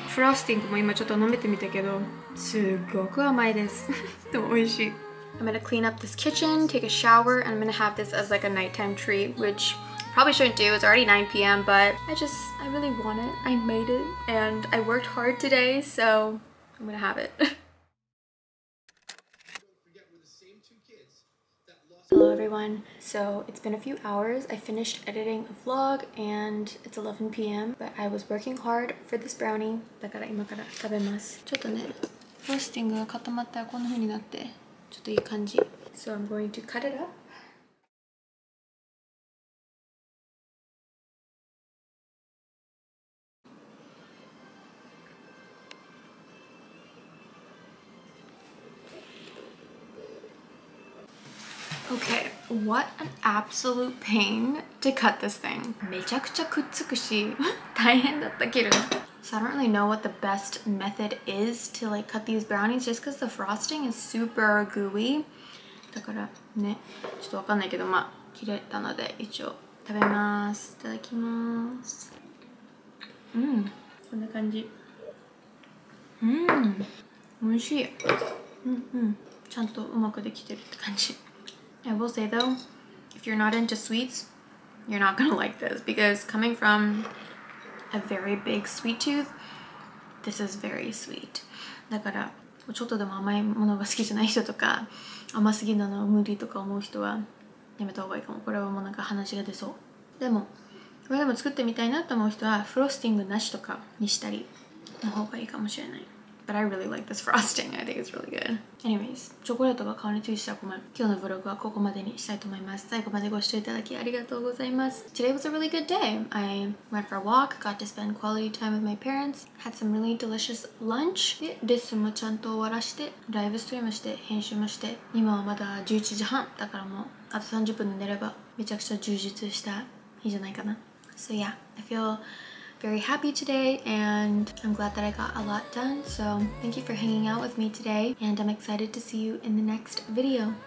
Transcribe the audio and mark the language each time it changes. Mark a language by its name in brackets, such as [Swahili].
[Japanese] フロスティングも今ちょっと飲めてみたけど、すごく甘いです。でも美味しい。 [English] I'm gonna clean up this kitchen, take a shower, and I'm gonna have this as like a nighttime treat, which probably shouldn't do. It's already 9 p.m. But I really want it. I made it, and I worked hard today, so. I'm gonna have it. Don't forget, we're the same two kids. Hello everyone. So it's been a few hours. I finished editing a vlog and it's 11 p.m. But I was working hard for this brownie. [Japanese] だから今から食べます。ちょっとね、フロスティングが固まったらこんな風になって、ちょっといい感じ。 [English] So I'm going to cut it up. Okay, what an absolute pain to cut this thing. [Japanese] めちゃくちゃくっつくし、大変だった切る。 [English] So I don't really know what the best method is to like cut these brownies just because the frosting is super gooey. [Japanese] だからね、ちょっとわかんないけど、まあ切れたので一応食べます。いただきます。こんな感じ。美味しい。ちゃんとうまくできてるって感じ。 [English] I will say though, if you're not into sweets, you're not gonna like this because coming from a very big sweet tooth, this is very sweet. [Japanese] だから、ちょっとでも甘いものが好きじゃない人とか、甘すぎるの無理とか思う人はやめた方がいいかも。これはもうなんか話が出そう。でも、これでも作ってみたいなと思う人はフロスティングなしとかにしたりの方がいいかもしれない。 [English] But I really like this frosting. I think it's really good. [Japanese] Anyways, チョコレートが顔についたらごめん。今日のブログはここまでにしたいと思います。最後までご視聴いただきありがとうございます。 [English] Today was a really good day. I went for a walk, got to spend quality time with my parents, had some really delicious lunch. [Japanese] で、レッスンもちゃんと終わらして、ライブストリームして、編集もして、今はまだ11時半だからもう、あと30分で寝れば、めちゃくちゃ充実した日じゃないかな。 [English] So yeah, I feel... very happy today and I'm glad that I got a lot done so thank you for hanging out with me today and I'm excited to see you in the next video